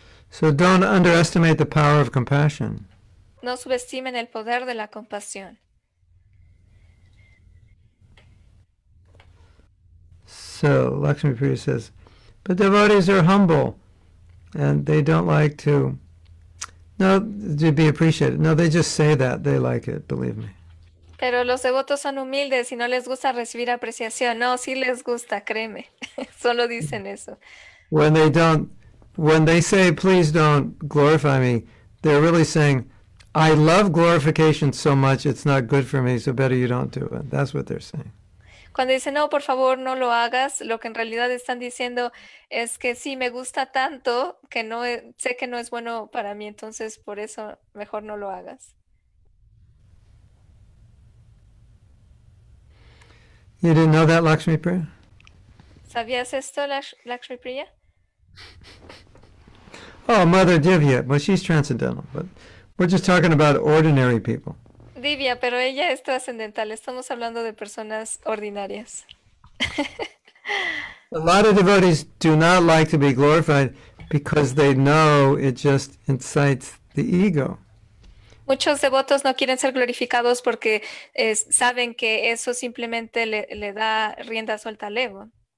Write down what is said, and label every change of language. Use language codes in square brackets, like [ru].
[en] So don't underestimate the power of compassion. [es] No subestimen el poder de la compasión. [en] So Lakshmi Priya says, but devotees are humble and they don't like to be appreciated. No, they just say that. They like it, believe me. [es] Pero los devotos son humildes y no les gusta recibir apreciación. No, sí les gusta, créeme. Solo dicen eso. [en] When they say, please don't glorify me, they're really saying, I love glorification so much, it's not good for me, so better you don't do it. That's what they're saying. [es] Cuando dicen, no, por favor, no lo hagas, lo que en realidad están diciendo es que sí, me gusta tanto que no sé que no es bueno para mí, entonces por eso mejor no lo hagas. [en] You didn't know that, Lakshmi Priya? [es] ¿Sabías esto, Lakshmi Priya? [en] Oh, Mother Divya. Well, she's transcendental, but we're just talking about ordinary people. [es] Divya, pero ella es trascendental. Estamos hablando de personas ordinarias. [en] Lot of devotees do not like to be glorified because they know it just incites the ego. [es] Muchos devotos no quieren ser glorificados porque saben que eso simplemente le da rienda suelta al ego.